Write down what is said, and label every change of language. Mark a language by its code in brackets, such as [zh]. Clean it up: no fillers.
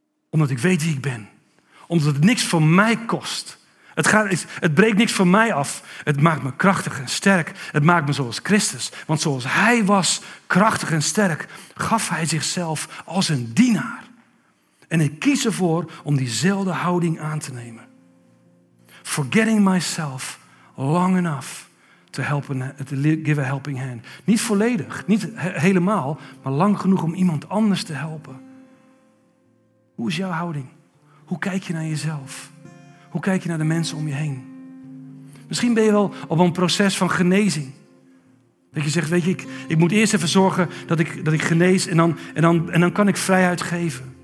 [nl] Omdat ik weet wie ik ben. Omdat het niks voor mij kost. Het breekt niks voor mij af. Het maakt me krachtig en sterk. Het maakt me zoals Christus. Want zoals hij was, krachtig en sterk, gaf hij zichzelf als een dienaar. En ik kies ervoor om diezelfde houding aan te nemen. [en] Forgetting myself long enough to help give a helping hand. [nl] Niet volledig, niet helemaal, maar lang genoeg om iemand anders te helpen. Hoe is jouw houding? Hoe kijk je naar jezelf? Hoe kijk je naar de mensen om je heen? Misschien ben je wel op een proces van genezing. Dat je zegt, weet je, ik moet eerst even zorgen dat ik genees en dan kan ik vrijheid geven.